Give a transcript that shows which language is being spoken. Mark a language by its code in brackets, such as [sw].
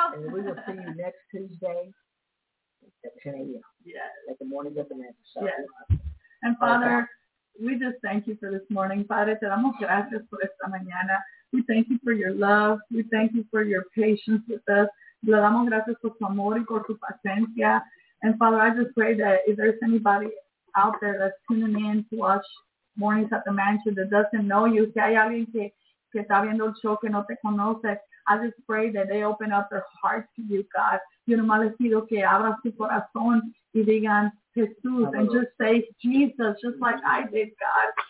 [en] And we will see you next Tuesday. At 10 a.m. Yes. At the morning of the night. And Father, we just thank you for this morning. Father, [es] te damos gracias por esta mañana. [en] We thank you for your love. We thank you for your patience with us. [es] Le damos gracias por tu amor y por tu paciencia. [en] And Father, I just pray that if there's anybody out there that's tuning in to watch Mornings at the Mansion that doesn't know you, [es] si hay alguien que está viendo el show que no te conoce, [en] I just pray that they open up their hearts to you, God. [es] Yo nomás les pido que abran su corazón y digan Jesús, [en] and just say Jesus, just like I did, God.